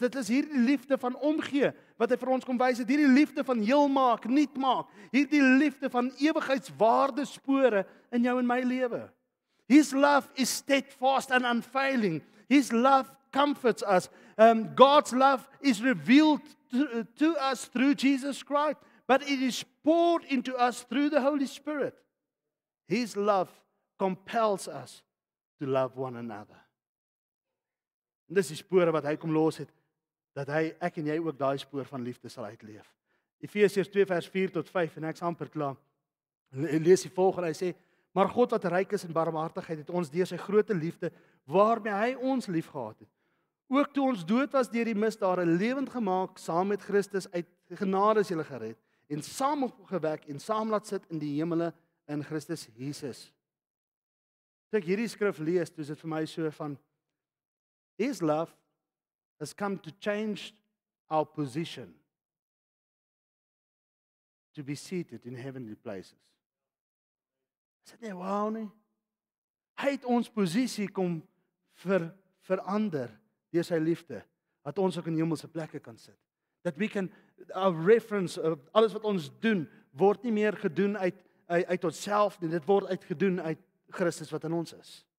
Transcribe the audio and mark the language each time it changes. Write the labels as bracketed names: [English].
[Afrikaans] Dit is hierdie liefde van omgee, wat hy vir ons kom wys het. Hierdie liefde van heel maak, niet maak. Hierdie liefde van ewigheidswaarde spore in jou en my lewe. [English] His love is steadfast and unfailing. His love comforts us. God's love is revealed to us through Jesus Christ. But it is poured into us through the Holy Spirit. His love compels us to love one another. [Afrikaans] En dis die spore wat hy kom los het, dat hy, ek en jy ook daai spoor van liefde sal uitleef. Efesiërs 2 vers 4 tot 5, en ek is amper klaar. En lees die volgende, hy sê, maar God wat ryk is in barmhartigheid, het ons deur sy grote liefde, waarmee hy ons lief gehad het. Ook toe ons dood was deur die misdade, lewend gemaak, saam met Christus, uit genade is julle gered, en saam opgewek, en saam laat sit in die hemele, in Christus Jesus. Toe ek hierdie skrif lees, toe is dit vir my so van, [English] His love has come to change our position to be seated in heavenly places. [Afrikaans] Is dit nie wow nie? Hy het ons posisie kom verander deur sy liefde, dat ons ook in hemelse plekke kan sit. [English] That we can, our reference, [Afrikaans] alles wat ons doen, word nie meer gedoen uit onsself nie, dit word uitgedoen uit Christus wat in ons is.